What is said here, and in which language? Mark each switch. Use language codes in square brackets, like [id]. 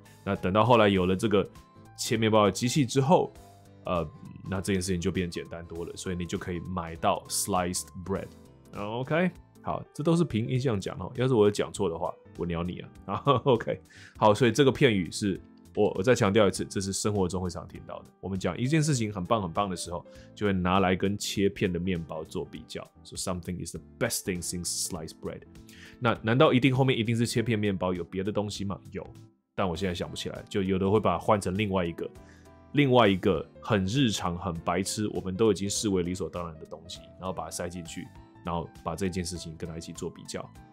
[zh] 那等到后来有了这个切面包的机器之后，那这件事情就变简单多了，所以你就可以买到 sliced bread。 OK， 好，这都是凭印象讲哦。要是我有讲错的话，我鸟你啊。 OK， 好，所以这个片语是。我再强调一次，这是生活中会常听到的。我们讲一件事情很棒很棒的时候，就会拿来跟切片的面包做比较。 [en] So something is the best thing since sliced bread。 [zh] 那难道一定后面一定是切片面包有别的东西吗？有，但我现在想不起来。就有的会把它换成另外一个很日常很白痴，我们都已经视为理所当然的东西，然后把它塞进去，然后把这件事情跟它一起做比较。